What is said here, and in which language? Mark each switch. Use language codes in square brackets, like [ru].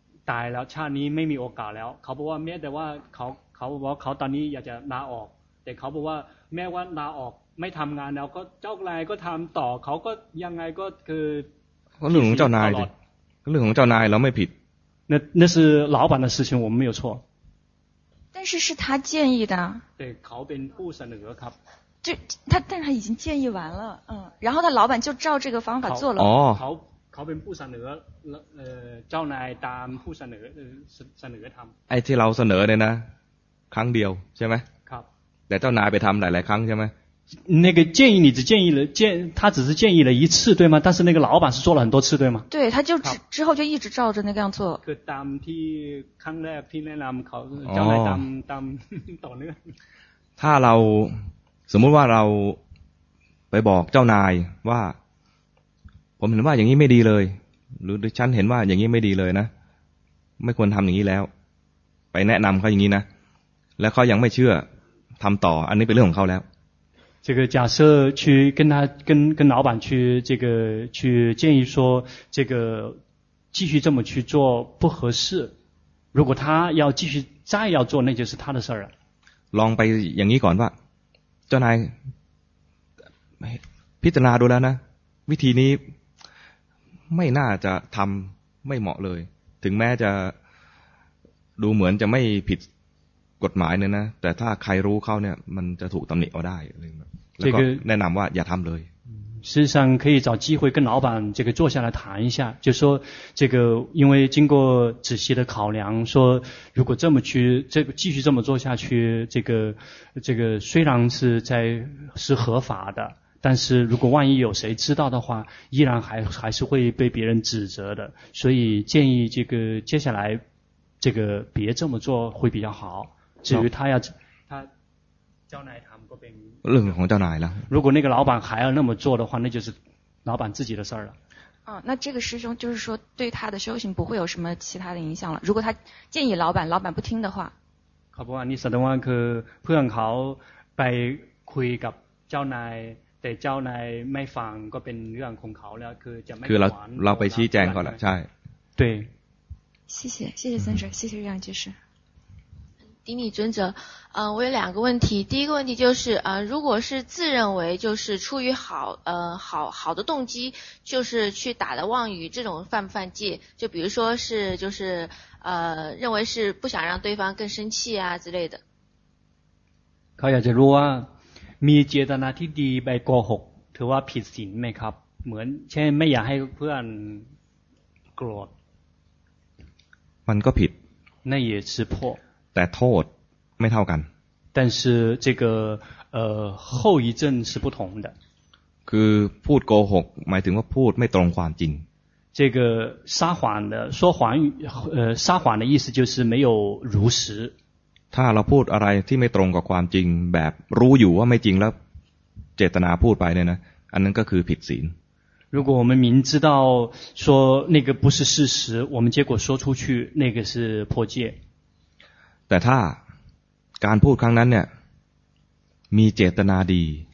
[th] ตายแล้วชาตินี้ไม่มีโอกาสแล้วเขาบอกว่าแม้แต่ว่าเขาตอนนี้อยากจะลาออกแต่เขาบอกว่าแม้ว่าลาออกไม่ทำงานแล้วก็เจ้านายก็ทำต่อเขาก็ยังไงก็คือ เรื่องของเจ้านายเรื่องของเจ้านายแล้วไม่ผิด [zh] 那是老板的事情我们没有错但是是他建议的对 [th] เขาเป็นผู้เสนอครับ [zh] 但是他已经建议完了然后他老板就照这个方法做了 [th] เขาเป็นผู้เสนอเจ้านายตามผู้เสนอทำ ไอ้ที่เราเสนอเนี่ยนะครั้งเดียวใช่ไหม ครับ แต่เจ้านายไปทำหลายครั้งใช่ไหม [zh] 那个建议你只建议了他只是建议了一次对吗但是那个老板是做了很多次对吗对他就之后就一直照着那个样做 [th] คือตามที่ครั้งแรกที่แนะนำเขาเจ้านายตามต่อเนื่อง ถ้าเราสมมติว่าเราไปบอกเจ้านายว่าผมเห็นว่าอย่างนี้ไม่ดีเลยหรือฉันเห็นว่าอย่างนี้ไม่ดีเลยนะไม่ควรทำอย่างนี้แล้วไปแนะนำเขาอย่างนี้นะแล้วเขายังไม่เชื่อทำต่ออันนี้เป็นเรื่องของเขาแล้ว [zh] 这个假设去跟他跟老板去这个去建议说这个继续这么去做不合适如果他要继续再要做那就是他的事儿了 [th] ลองไปอย่างนี้ก่อนว่าเจ้านายพิจารณาดูแล้วนะวิธีนี้ไม่น่าจะทำไม่เหมาะเลยถึงแม้จะดูเหมือนจะไม่ผิดกฎหมายเนี่ยนะแต่ถ้าใครรู้เข้าเนี่ยมันจะถูกตำหนิเอาได้แล้วก็แนะนำว่าอย่าทำเลย [zh] 事实上可以找机会跟老板这个坐下来谈一下就说这个因为经过仔细的考量说如果这么去这个继续这么做下去这个虽然是合法的但是如果万一有谁知道的话依然还是会被别人指责的所以建议这个接下来这个别这么做会比较好至于他要他叫奶他们不被认同叫奶了如果那个老板还要那么做的话那就是老板自己的事儿了那这个师兄就是说对他的修行不会有什么其他的影响了如果他建议老板老板不听的话 [th] เขาบอกว่านิสัยว่าคือเพื่อนเขาไปคุยกับเจ้านายแต่เจ้านายไม่ฟังก็เป็นเรื่องของเขาแล้วคือจะไม่ คือเราไปชี้แจงก่อนแหละใช่ [zh] 对谢谢尊者谢谢月亮居士顶礼尊者，我有两个问题。第一个问题就是，如果是自认为就是出于好的动机，就是去打了妄语，这种犯不犯戒？就比如说是就是认为是不想让对方更生气啊之类的。 [th] เขาอยากจะรู้ว่ามีเจตนาที่ดีไปโกหกถือว่าผิดศีลไหมครับเหมือนเช่นไม่อยากให้เพื่อนโกรธ มันก็ผิด นั่นเองคือผิ ดแต่โทษไม่เท่ากัน [zh] 但是这个后遗症是不同的 [th] คือพูดโกหกหมายถึงว่าพูดไม่ตรงความจริง [zh] 这个撒谎的说谎撒谎的意思就是没有如实 [th] ถ้าเราพูดอะไรที่ไม่ตรงกับความจริงแบบรู้อยู่ว่าไม่จริงแล้วเจตนาพูดไปเนี่ยนะอันนั้นก็คือผิดศีล [zh] 如果我们明知道说那个不是事实我们结果说出去那个是破戒 [th] แต่ถ้าการพูดครั้งนั้นเนี่ยมีเจตนาดี